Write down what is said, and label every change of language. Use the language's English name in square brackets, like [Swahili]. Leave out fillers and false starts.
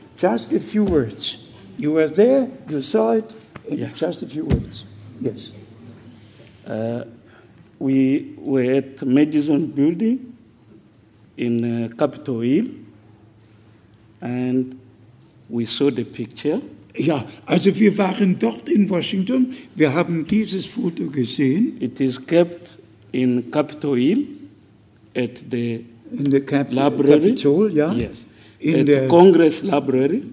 [English] Just a few words. You were there, you saw it, and yes. Just a few words. Yes. We were at Madison Building in Capitol Hill, and we saw the picture. [German] Ja, also wir waren dort in Washington. Wir haben dieses Foto gesehen. [English] It is kept in Capitol Hill at the library. [German] Capitol, ja. [English] Yes. In the Congress Library.